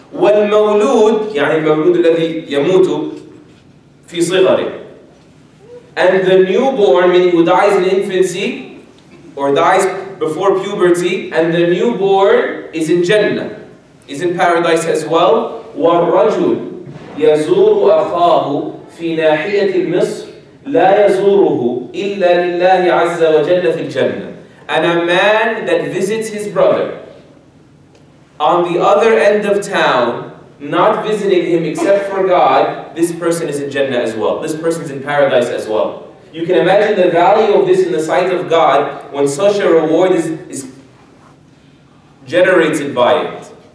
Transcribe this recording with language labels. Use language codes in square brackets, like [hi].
[ar] وَالْمَوْلُودُ يَعْنِ الْمَوْلُودُ الَّذِي يَمُوتُ في صغره. [en] And the newborn, meaning who dies in infancy or dies before puberty, and the newborn is in Jannah, is in paradise as well. وَالرَّجُلُ [ar] يزور أخاه في ناحية مصر لا يزوره إلا لله عز وجل في الجنة. [en] And a man that visits his brother on the other end of town, not visiting him except for God, this person is in Jannah as well. This person is in paradise as well. You can imagine the value of this in the sight of God when such a reward is generated by it.